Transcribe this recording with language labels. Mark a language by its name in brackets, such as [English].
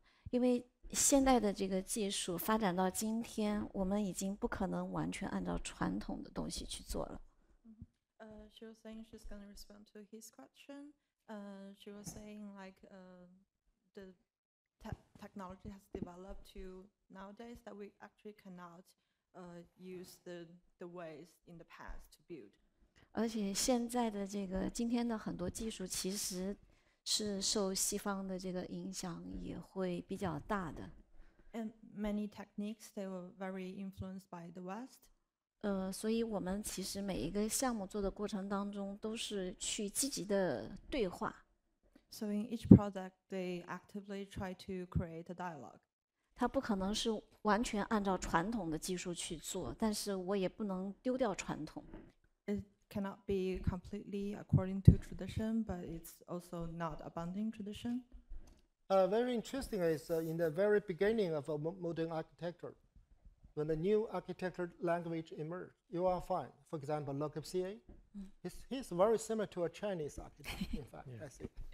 [Chinese] 因为现代的这个技术发展到今天，我们已经不可能完全按照传统的东西去做了。 [English] She was saying she's going to respond to his question. She was saying like the technology has developed to nowadays that we actually cannot use the ways in the past to build. [Chinese] 而且现在的这个今天的很多技术其实是受西方的这个影响也会比较大的。 [English] And many techniques they were very influenced by the West. [Chinese] 所以我们其实每一个项目做的过程当中都是去积极的对话。 [English] So in each project, they actively try to create a dialogue. [Chinese] 它不可能是完全按照传统的技术去做，但是我也不能丢掉传统。 [English] It cannot be completely according to tradition, but it's also not abandoning tradition. Very interesting is in the very beginning of a modern architecture, when the new architecture language emerged, you are fine. For example, Le Corbusier, he's very similar to a Chinese architect, in fact, yeah. I see.